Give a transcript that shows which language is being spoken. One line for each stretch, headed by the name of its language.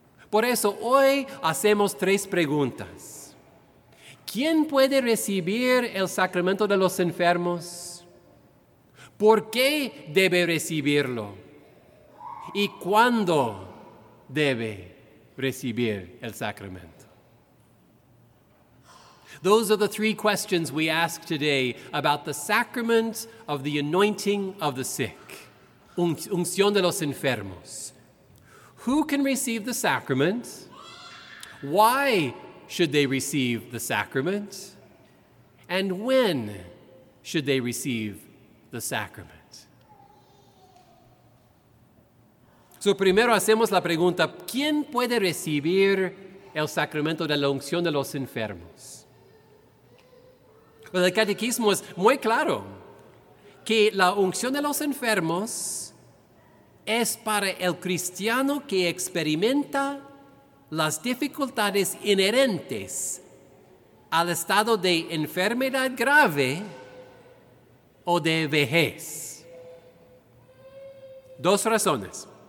Spanish: Por eso, hoy hacemos 3 preguntas. ¿Quién puede recibir el sacramento de los enfermos? ¿Por qué debe recibirlo? ¿Y cuándo debe recibir el sacramento?
English: Those are the 3 questions we ask today about the sacrament of the anointing of the sick.
Spanish: Unción de los enfermos.
English: Who can receive the sacrament? Why should they receive the sacrament? And when should they receive the sacrament?
Spanish: So primero hacemos la pregunta, ¿quién puede recibir el sacramento de la unción de los enfermos? Pero el catecismo es muy claro que la unción de los enfermos es para el cristiano que experimenta las dificultades inherentes al estado de enfermedad grave o de vejez. 2 razones.